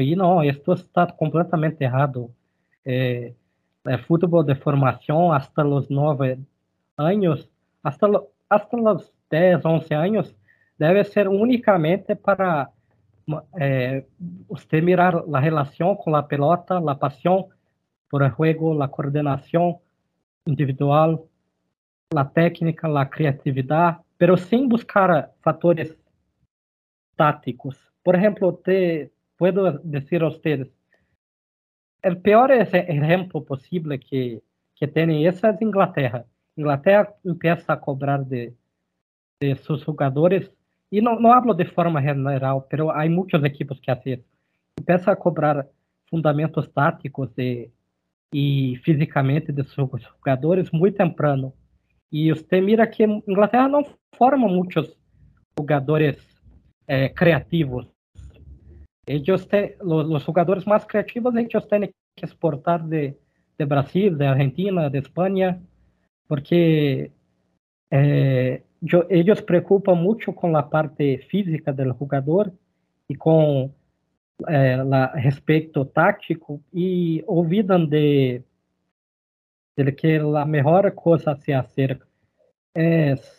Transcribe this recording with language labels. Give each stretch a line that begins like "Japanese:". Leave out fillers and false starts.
Portuguese: E não, isso está completamente errado. Futebol de formação, até os 9 anos, até os 10, 11 anos, deve ser unicamente para você mirar a relação com a pelota, a paixão por
Spanish: el juego, la coordinación individual, la técnica, la creatividad, pero sin buscar factores tácticos. Por ejemplo, te puedo decir a ustedes, el peor ejemplo posible que tiene eso es Inglaterra. Inglaterra empieza a cobrar de sus jugadores, y no hablo de forma general, pero hay muchos equipos que hacen eso. Empieza a cobrar fundamentos tácticos y físicamente de
Portuguese: seus jogadores muito
Spanish: temprano.
Portuguese: E você mira que Inglaterra não forma muitos jogadores criativos. Os jogadores mais criativos eles têm que exportar de Brasil, de Argentina, de Espanha, porque eles preocupam muito com a parte física do jogador e com respeito tático e olvidam de que a melhor coisa a se fazer é